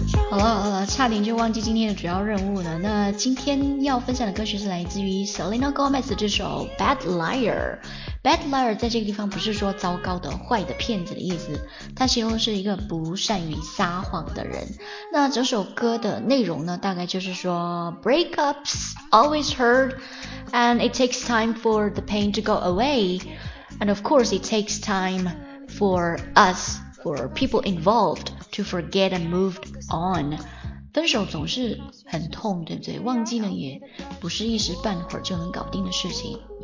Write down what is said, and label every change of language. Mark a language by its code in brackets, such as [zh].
[zh] 好了好了，差点就忘记今天的主要任务了。那今天要分享的歌曲是来自于 Selena Gomez 这首 Bad Liar。 Bad liar 在这个地方不是说糟糕的、坏的、骗子的意思，它形容是一个不善于撒谎的人。那这首歌的内容呢，大概就是说 [en] breakups always hurt, and it takes time for the pain to go away, and of course it takes time for us, for people involved to forget and move on。 [zh] 分手总是很痛，对不对？忘记呢，也不是一时半会儿就能搞定的事情。